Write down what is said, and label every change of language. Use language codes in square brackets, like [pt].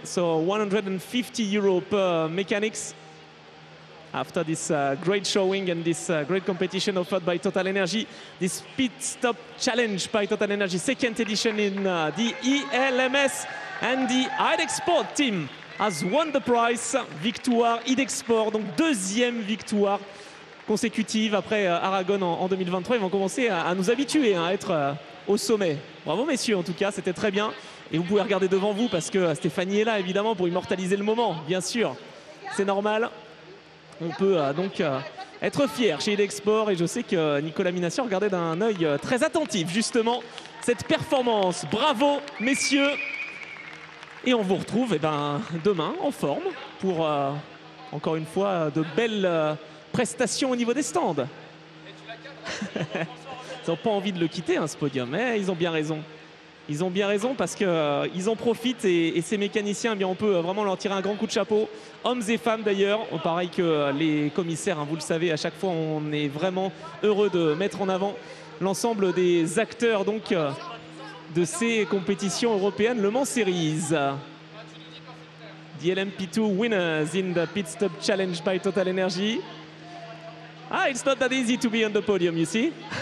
[en] So €150 per mechanics after this great showing and this great competition offered by TotalEnergies. This Pit Stop Challenge by TotalEnergies, second edition in the ELMS, and the Idexport team has won the prize. [fr] Victoire Idexport, donc deuxième victoire consécutive après Aragon en 2023. Ils vont commencer à nous habituer à être au sommet. Bravo messieurs, en tout cas, c'était très bien. Et vous pouvez regarder devant vous parce que Stéphanie est là, évidemment, pour immortaliser le moment, bien sûr. C'est normal. On peut donc être fier chez Idexport. Et je sais que Nicolas Minassian regardait d'un œil très attentif, justement, cette performance. Bravo messieurs. Et on vous retrouve eh ben, demain en forme pour, encore une fois, de belles prestations au niveau des stands. Et tu ils n'ont pas envie de le quitter, hein, ce podium, mais ils ont bien raison. Ils ont bien raison parce qu'ils en profitent, et ces mécaniciens, eh bien, on peut vraiment leur tirer un grand coup de chapeau. Hommes et femmes d'ailleurs, pareil que les commissaires, hein, vous le savez, à chaque fois, on est vraiment heureux de mettre en avant l'ensemble des acteurs. Donc, de ces compétitions européennes, Le Mans Series. [en] The LMP2 winners in the Pit Stop Challenge by TotalEnergies. Ah, it's not that easy to be on the podium, you see?